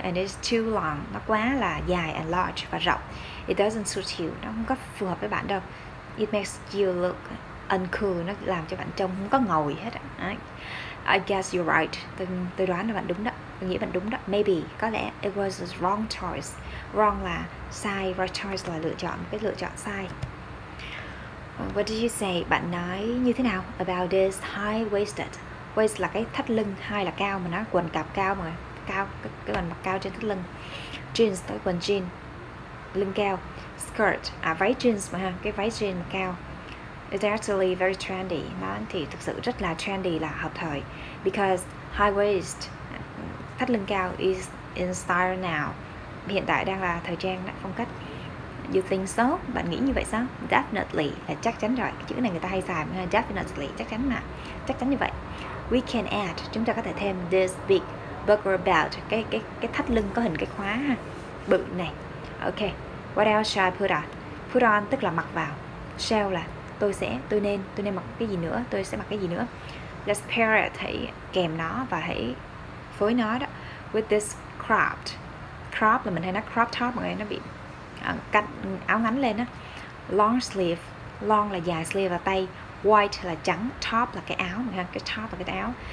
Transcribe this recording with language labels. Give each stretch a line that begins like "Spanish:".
English: And it's too long,
Vietnamese: nó quá là dài
English: and large
Vietnamese: và rộng.
English: It doesn't suit you,
Vietnamese: nó không có phù hợp với bạn đâu.
English: It makes you look uncool,
Vietnamese: nó làm cho bạn trông không có ngầu gì hết á.
English: I guess you're right,
Vietnamese: tôi đoán là bạn đúng đó, tôi nghĩ bạn đúng đó.
English: Maybe,
Vietnamese: có lẽ
English: it was a wrong choice.
Vietnamese: Wrong là sai, right choice là lựa chọn, cái lựa chọn sai.
English: What did you say,
Vietnamese: bạn nói như thế nào
English: about this high-waisted?
Vietnamese: Waist là cái thắt lưng, high là cao mà nó quần cạp cao mà cao, cái quần mặc cao trên thắt lưng. Jeans, tới quần jean lưng cao. Skirt, à váy jeans mà ha, cái váy jeans mà cao.
English: It's actually very trendy,
Vietnamese: nó thì thực sự rất là trendy, là hợp thời.
English: Because high waist,
Vietnamese: thắt lưng cao,
English: is in style now,
Vietnamese: hiện tại đang là thời trang, là phong cách.
English: You think so?
Vietnamese: Bạn nghĩ như vậy sao? Definitely là chắc chắn rồi, cái chữ này người ta hay xài mà ha. Definitely, chắc chắn mà, chắc chắn như vậy.
English: We can add,
Vietnamese: chúng ta có thể thêm
English: this big buckle belt,
Vietnamese: cái thắt lưng có hình cái khóa ha, bự này.
English: Ok, what else should I put on?
Vietnamese: Put on tức là mặc vào. Shall là tôi nên mặc cái gì nữa, tôi sẽ mặc cái gì nữa.
English: Let's pair it,
Vietnamese: hãy kèm nó và hãy phối nó đó.
English: With this cropped.
Vietnamese: Crop là mình hay nói crop top, mọi người, nó bị cắt áo ngắn lên á. Long sleeve, long là dài, sleeve là tay. White là trắng, top là cái áo, cái top là cái áo.